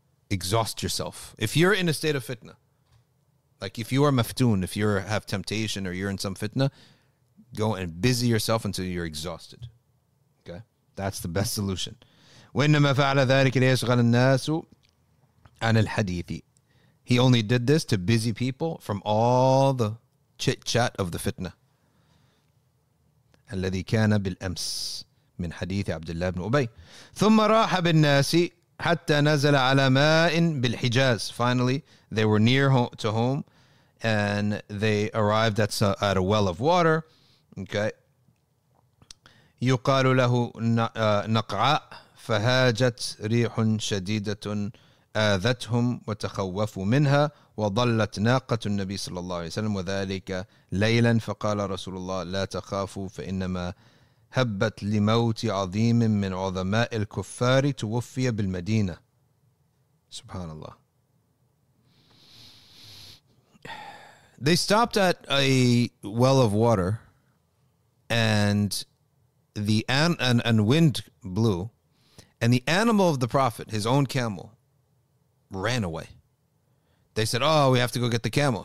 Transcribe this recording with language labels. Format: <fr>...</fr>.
<en>Exhaust yourself. If you're in a state of fitna, like if you are maftoon, if you have temptation or you're in some fitna, go and busy yourself until you're exhausted. Okay? That's the best solution.</en> <ar>وَإِنَّمَا فَعَلَ ذَٰلِكَ لِيَشْغَلَ النَّاسُ عَنِ الْحَدِيثِ.</ar> <en>He only did this to busy people from all the chit-chat of the fitna.</en> <ar>الذي كان بالأمس من حديث عبد الله بن أبي ثم راح بالناس حتى نزل على ماء بالحجاز.</ar> <en>Finally, they were near home, to home, and they arrived at a well of water. Okay.</en> <ar>يقال له نقعاء فهاجت ريح شديدة آذتهم وتخوفوا منها وضلت ناقة النبي صلى الله عليه وسلم وذلك ليلا فقال رسول الله لا تخافوا فإنما هبت لموت عظيم من عظماء الكفار توفي بالمدينة. سبحان الله.</ar> <en>They stopped at a well of water, and the and wind blew, and the animal of the prophet, his own camel, ran away. They said, "Oh, we have to go get the camel.</en>